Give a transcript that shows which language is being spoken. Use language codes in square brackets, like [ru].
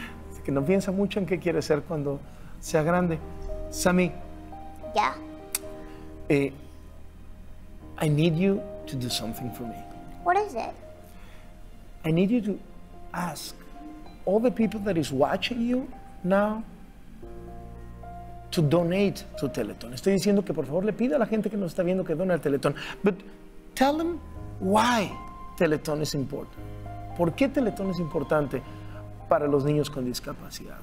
[es] Es que no piensa mucho en qué quiere ser cuando sea grande. [en] Sammy. Yeah. I need you to do something for me. What is it? I need you to ask all the people that is watching you now to donate to Teletón. [es] Estoy diciendo que por favor le pida a la gente que nos está viendo que done al Teletón. [en] But tell them why Teletón is important. [es] ¿Por qué Teletón es importante para los niños con discapacidad?